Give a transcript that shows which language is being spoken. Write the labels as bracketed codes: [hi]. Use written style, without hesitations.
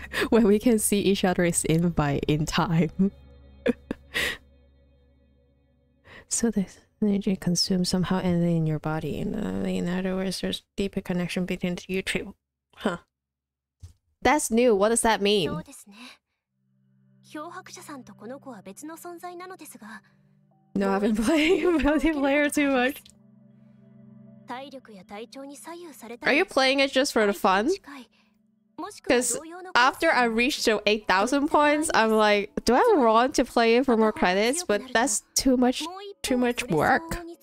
[en] When we can see each other's invite in time. So the energy consumed somehow ended in your body. In other words, there's deeper connection between you two. Huh. That's new. What does that mean? [ja] 漂白者さんとこの子は別の存在なのですが。 [en] No, I've been playing multiplayer too much. Are you playing it just for the fun? Because after I reached the 8,000 points, I'm like, do I want to play it for more credits? But that's too much work.